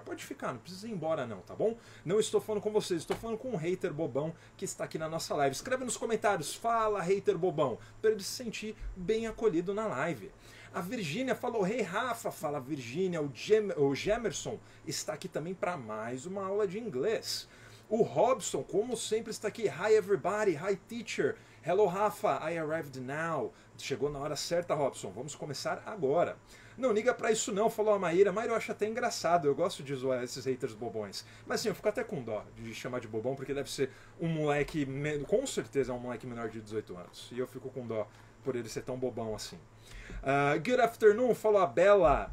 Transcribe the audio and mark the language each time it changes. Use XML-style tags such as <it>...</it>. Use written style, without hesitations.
<pt>Pode ficar, não precisa ir embora, não, tá bom? Não estou falando com vocês, estou falando com um hater bobão que está aqui na nossa live. Escreve nos comentários, fala, hater bobão. Para ele se sentir bem acolhido na live. A Virgínia falou: Hey Rafa, fala Virgínia. O Jemerson está aqui também para mais uma aula de inglês. O Robson, como sempre, está aqui.</pt> <en>Hi everybody, hi teacher. Hello Rafa, I arrived now.</en> <pt>Chegou na hora certa, Robson. Vamos começar agora. Não liga para isso não, falou a Maíra. Maíra, eu acho até engraçado. Eu gosto de zoar esses haters bobões. Mas assim, eu fico até com dó de chamar de bobão, porque deve ser um moleque, com certeza é um moleque menor de 18 anos. E eu fico com dó por ele ser tão bobão assim.</pt> <en>Good afternoon,</en> <pt>falou a Bella.</pt>